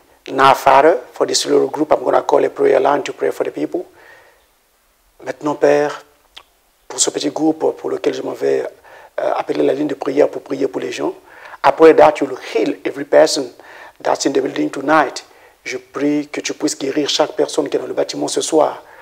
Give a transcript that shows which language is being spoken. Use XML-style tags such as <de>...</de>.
<en>Now, Father, for this little group, I'm going to call a prayer line to pray for the people.</en> <fr>Maintenant, Père, pour ce petit groupe pour lequel je m'en vais appeler la ligne de prière pour prier pour les gens.</fr> <en>Après that, you'll heal every person that's in the building tonight.</en> <fr>Je prie que tu puisses guérir chaque personne qui est dans le bâtiment ce soir.</fr>